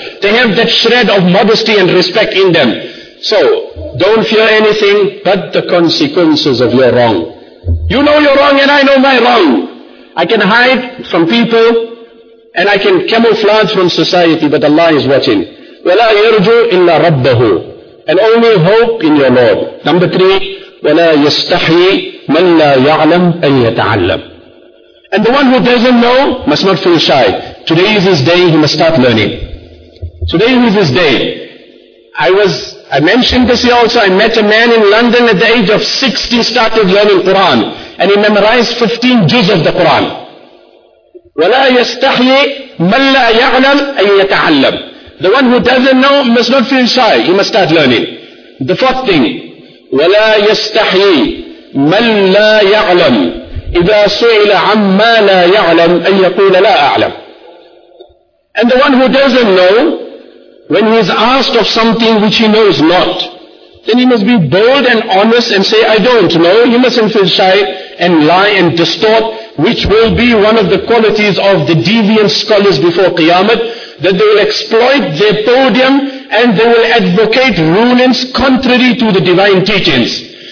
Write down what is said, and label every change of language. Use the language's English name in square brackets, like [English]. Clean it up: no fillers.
[English] They have that shred of modesty and respect in them. So, don't fear anything but the consequences of your wrong. You know your wrong and I know my wrong. I can hide from people and I can camouflage from society, but Allah is watching. [Arabic] وَلَا يَرْجُوا إِلَّا رَبَّهُ. [English] And only hope in your Lord. Number three, [Arabic] وَلَا يَسْتَحْيِي مَنْ لَا يَعْلَمْ أَنْ يَتَعَلَّمْ. [English] And the one who doesn't know must not feel shy. Today is his day, he must start learning. Today is his day. I mentioned this here also, I met a man in London at the age of 60, started learning Quran. And he memorized 15 juz of the Quran. [Arabic] وَلَا يَسْتَحْيِي مَنْ لَا يَعْلَمْ أَنْ يَتَعَلَّمْ. [English] The one who doesn't know must not feel shy, he must start learning. The fourth thing, [Arabic] وَلَا يَسْتَحْيِي مَنْ لَا يَعْلَمْ إِذَا سُئِلَ عَمَّا لَا يَعْلَمْ أَنْ يَقُولَ لَا أَعْلَمْ. [English] And the one who doesn't know, when he is asked of something which he knows not, then he must be bold and honest and say, I don't know. He mustn't feel shy and lie and distort, which will be one of the qualities of the deviant scholars before Qiyamah, that they will exploit their podium and they will advocate rulings contrary to the divine teachings.